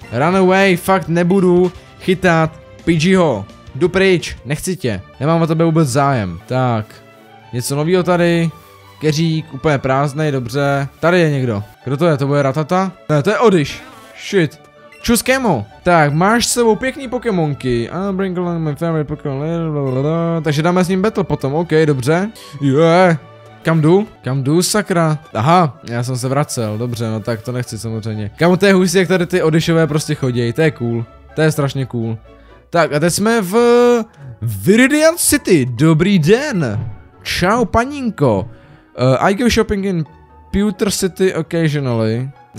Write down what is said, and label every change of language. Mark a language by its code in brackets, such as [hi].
[en] Run away, [cs] fakt nebudu chytat Pidgeyho. Jdu pryč, nechci tě, nemám o tebe vůbec zájem. Tak, něco novýho tady, keřík, úplně prázdnej, dobře. Tady je někdo, kdo to je, to bude ratata? Ne, to je Odyš, shit. Čus kemo. Tak, máš s sebou pěkný pokémonky. [en] I'll bring along my favorite pokémon, blablabla. [cs] Takže dáme s ním battle potom, OK, dobře. Yeah. Kam jdu? Kam jdu, sakra? Aha, já jsem se vracel, dobře, no tak to nechci samozřejmě. Kam to je hustý, jak tady ty Odyšové prostě chodí, to je cool, to je strašně cool. Tak a teď jsme v Viridian City, dobrý den, čau paninko, [en] I go shopping in Pewter City occasionally,